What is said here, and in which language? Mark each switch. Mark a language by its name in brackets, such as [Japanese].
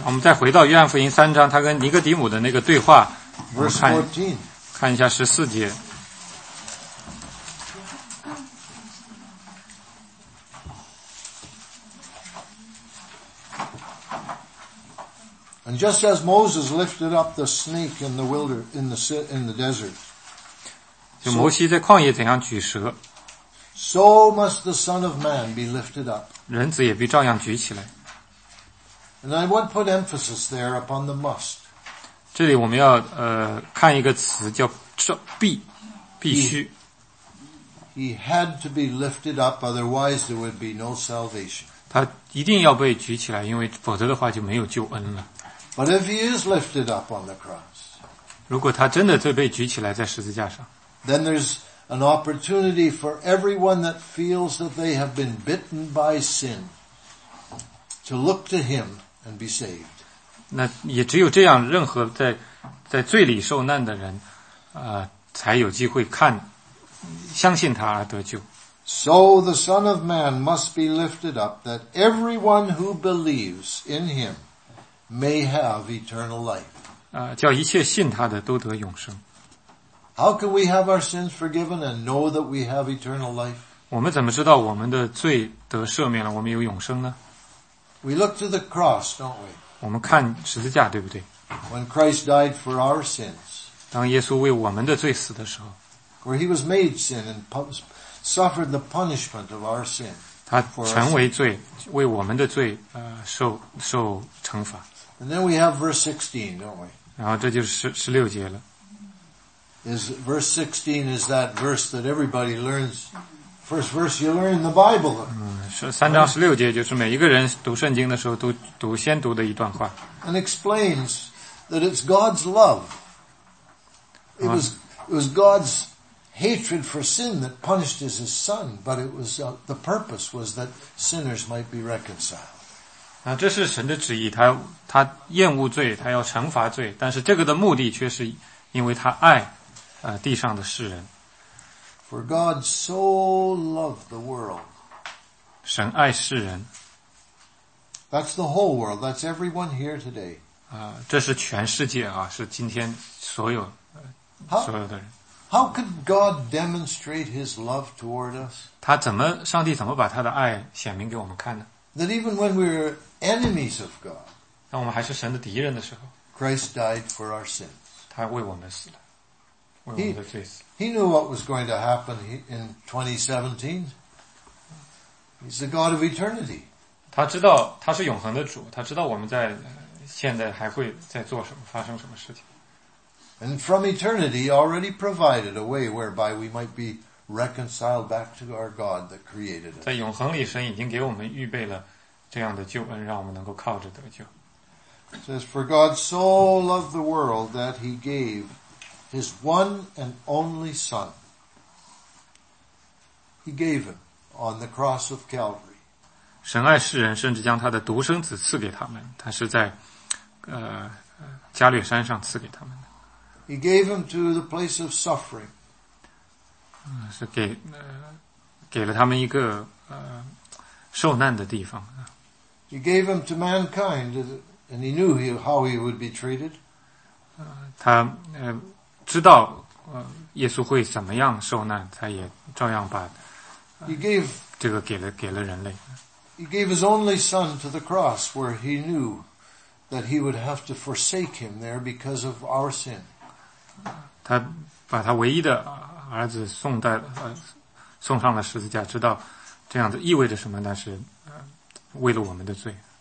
[Chinese] 我们再回到约翰福音三章，他跟尼哥底母的那个对话。 [English] Verse 14. [Chinese] 看一下十四节。 [English] And just as Moses lifted up the snake in the wilderness, in the desert. [Chinese] 就摩西在旷野怎样举蛇。 [English] So must the Son of Man be lifted up. [Chinese] 人子也必照样举起来。 [English] And I would put emphasis there upon the must. [Chinese] 这里我们要看一个词叫必须。 [English] He had to be lifted up, otherwise there would be no salvation. [Chinese] 他一定要被举起来，因为否则的话就没有救恩了。 [English] But if he is lifted up on the cross, [Chinese] 如果他真的被举起来在十字架上 [English] then there's an opportunity for everyone that feels that they have been bitten by sin to look to him and be saved. [Chinese] 那也只有这样，任何在罪里受难的人，才有机会看，相信他而得救。 [English] So the Son of Man must be lifted up, that everyone who believes in him. May have eternal life. [Chinese] 叫一切信他的都得永生。 [English] How can we have our sins forgiven and know that we have eternal life? [Chinese] 我们怎么知道我们的罪得赦免了，我们有永生呢？ [English] We look to the cross, don't we? [Chinese] 我们看十字架，对不对？ [English] When Christ died for our sins. [Chinese] 当耶稣为我们的罪死的时候。 [English] Where he was made sin and suffered the punishment of our sin. [Chinese] 他成为罪，为我们的罪，受惩罚。 [English] And then we have verse 16, don't we? [Chinese] 然后这就是16节了。 [English] Is verse 16 is that verse that everybody learns? First verse you learn in the Bible. [Chinese] 三章十六节就是每一个人读圣经的时候都先读的一段话。 [English] And explains that it's God's love. It was God'sHatred for sin that punished his son, but it was, the purpose was that sinners might be reconciled. [Chinese] 那这是神的旨意，他厌恶罪，他要惩罚罪，但是这个的目的却是因为他爱，地上的世人。 [English] For God so loved the world. [Chinese] 神爱世人。 [English] That's the whole world, that's everyone here today. [Chinese] 这是全世界啊，是今天所有的人。 [English] How could God demonstrate His love toward us? [Chinese] 他怎么上帝怎么把他的爱显明给我们看呢？ [English] That even when we're enemies of God, [Chinese] 当我们还是神的敌人的时候， [English] Christ died for our sins. [Chinese] 他为我们死了，为我们的罪死。 [English] He knew what was going to happen in 2017. He's the God of eternity. [Chinese] 他知道他是永恒的主，他知道我们在现在还会在做什么，发生什么事情。 [English] And from eternity already provided a way whereby we might be reconciled back to our God that created us. [Chinese] 在永恒里神已经给我们预备了这样的救恩，让我们能够靠着得救。 [English] It says, For God so loved the world that he gave his one and only son. He gave him on the cross of Calvary. [Chinese] 神爱世人，甚至将他的独生子赐给他们，他是在加略山上赐给他们的。 [English] He gave him to the place of suffering. [Chinese] 是给了他们一个受难的地方。 [English] He gave him to mankind, and he knew how he would be treated. [Chinese] 他知道耶稣会怎么样受难，他也照样把 [English] He gave [Chinese] 这个给了人类。 [English] He gave his only son to the cross, where he knew that he would have to forsake him there because of our sin. [Chinese] 他把他唯一的儿子送上了十字架，知道这样子意味着什么，但是为了我们的罪。